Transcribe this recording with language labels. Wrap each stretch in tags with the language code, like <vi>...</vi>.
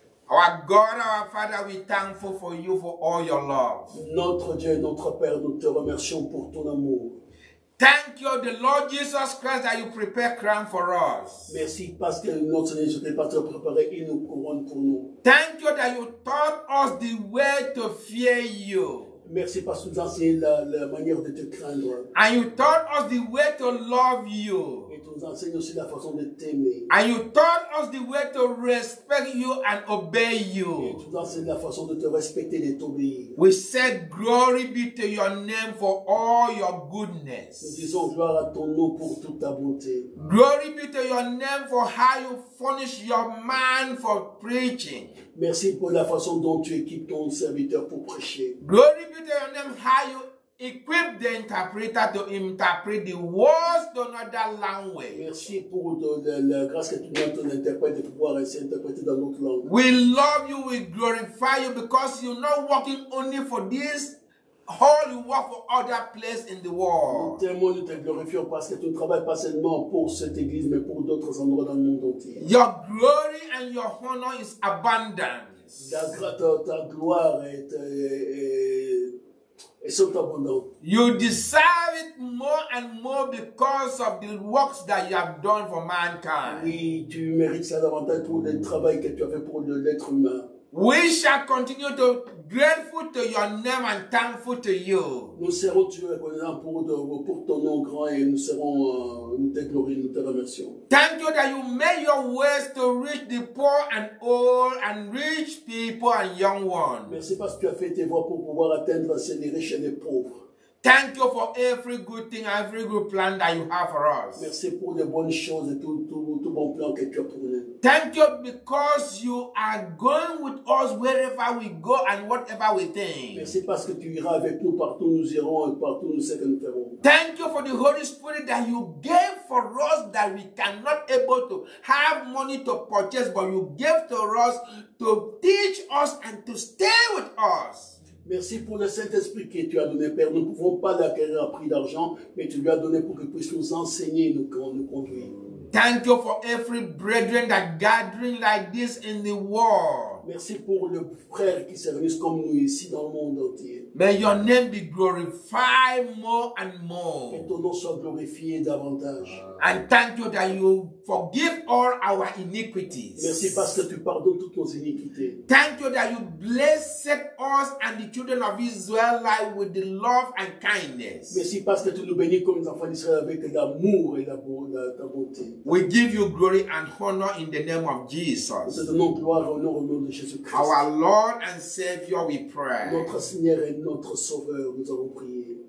<en>Our God, our Father, we thankful for you for all your love.</en> <fr>Notre Dieu, notre Père, nous te remercions pour ton amour.</fr> <en>Thank you, the Lord Jesus Christ, that you prepare crown for us.</en> <fr>Merci parce que notre Dieu te prépare une couronne pour nous.</fr> <en>Thank you that you taught us the way to fear you.</en> <fr>Merci parce que nous enseignes la manière de te craindre.</fr> <en>And you taught us the way to love you.</en> <fr>Et tu nous enseignes aussi la façon de t'aimer.</fr> <en>And you taught us the way to respect you and obey you.</en> <fr>Et tu nous enseignes la façon de te respecter et de t'obéir.</fr> <en>We said glory be to your name for all your goodness.</en> <fr>Nous disons gloire à ton nom pour toute ta bonté.</fr> <en>Glory be to your name for how you furnish your man for preaching.</en> <fr>Merci pour la façon dont tu équipes ton serviteur pour prêcher.</fr> <en>Glory be to your name, how you equip the interpreter to interpret the words to another language.</en> <fr>Merci pour la grâce que tu donnes à ton interprète de pouvoir ainsi interpréter dans notre langue.</fr> <en>We love you, we glorify you because you're not working only for this. All you work for other places in the world.</en> <fr>Nous t'aimons, nous te glorifions parce que tu ne travailles pas seulement pour cette église, mais pour d'autres endroits dans le monde entier.</fr> <en>Your glory and your honor is abundant.</en> <fr>Ta gloire est sont abondantes.</fr> <en>You deserve it more and more because of the works that you have done for mankind.</en> <fr>Oui, tu mérites ça davantage pour le travail que tu as fait pour l'être humain.</fr> <en>We shall continue to be grateful to your name and thankful to you.</en> <fr>Nous serons toujours reconnaissants pour ton nom grand et nous serons nous te glorifions, nous te remercions.</fr> <en>Thank you that you made your ways to reach the poor and old and rich people and young ones.</en> <fr>Merci parce que tu as fait tes voies pour pouvoir atteindre ces riches et les pauvres.</fr> <en>Thank you for every good thing, every good plan that you have for us.</en> <fr>Merci pour les bonnes choses et tout bon plan que tu as pour nous.</fr> <en>Thank you because you are going with us wherever we go and whatever we think.</en> <fr>Merci parce que tu iras avec nous partout nous irons et partout nous serons.</fr> <en>Thank you for the Holy Spirit that you gave for us that we cannot able to have money to purchase, but you gave to us to teach us and to stay with us.</en> <fr>Merci pour le Saint-Esprit que tu as donné, Père. Nous ne pouvons pas l'acquérir à prix d'argent, mais tu lui as donné pour qu'il puisse nous enseigner et nous conduire.</fr> <en>Thank you for every brethren that gathering like this in the world.</en> <fr>Merci pour le frère qui se réunit comme nous ici dans le monde entier.</fr> <en>May your name be glorified more and more.</en> <fr>Que ton nom soit glorifié davantage.</fr> <en>And thank you that you forgive all our iniquities.</en> <fr>Merci parce que tu pardonnes toutes nos iniquités.</fr> <en>Thank you that you bless us and the children of Israel like with the love and kindness.</en> <fr>Merci parce que tu nous bénis comme les enfants d'Israël avec l'amour et la bonté.</fr> <en>We give you glory and honor in the name of Jesus.</en> <fr>Nous te donnons gloire, honneur au nom de Jésus Christ.</fr> <en>Our Lord and Savior, we pray.</en> <fr>Notre Seigneur et notre Sauveur, nous avons prié.</fr>